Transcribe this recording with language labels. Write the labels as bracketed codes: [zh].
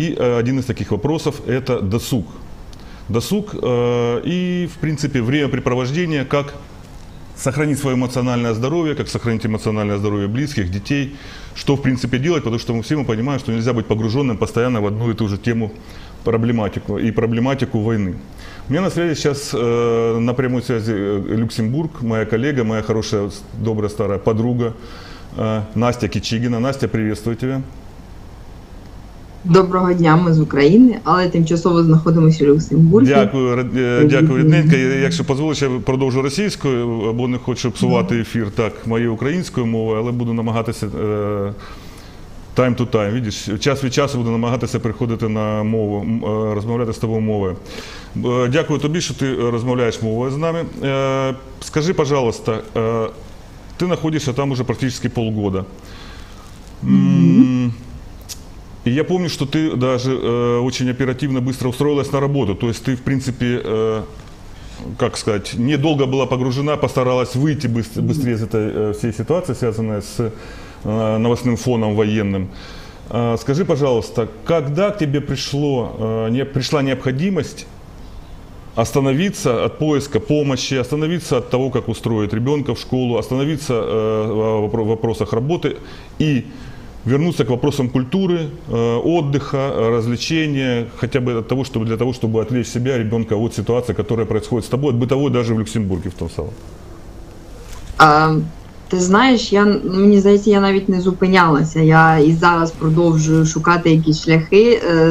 [ru] И один из таких вопросов – это досуг. Досуг и, в принципе, времяпрепровождение, как сохранить свое эмоциональное здоровье, как сохранить эмоциональное здоровье близких, детей, что, в принципе, делать, потому что мы все понимаем, что нельзя быть погруженным постоянно в одну и ту же тему, проблематику и проблематику войны. У меня на связи сейчас на прямой связи Люксембург, моя коллега, моя хорошая, добрая, старая подруга Настя Кичигина. Настя, приветствую тебя. [uk] Доброго дня, ми з України, але тимчасово знаходимося в Люксембурзі. Дякую, дякую, рідненька. Якщо дозволиш, я продовжу російською, бо не хочу псувати ефір так моєю українською мовою, але буду намагатися [en] time to time. [uk] Видиш, час від часу буду намагатися переходити на мову, розмовляти з тобою мовою. Дякую тобі, що ти розмовляєш мовою з нами. [ru] Скажи, пожалуйста, [uk] ти знаходишся [ru] там уже практически полгода. И я помню, что ты даже очень оперативно, быстро устроилась на работу. То есть ты, в принципе, как сказать, недолго была погружена, постаралась выйти быстрее из этой всей ситуации, связанной с новостным фоном военным. Скажи, пожалуйста, когда к тебе пришла необходимость остановиться от поиска помощи, остановиться от того, как устроить ребенка в школу, остановиться в вопросах работы и вернуться к вопросам культуры, отдыха, развлечения, хотя бы от того, чтобы, для того, чтобы отвлечь себя, ребенка от ситуации, которая происходит с тобой, от бытовой даже в Люксембурге в том самом? [uk] Ти знаєш, мені здається, я навіть не зупинялася. Я і зараз продовжую шукати якісь шляхи.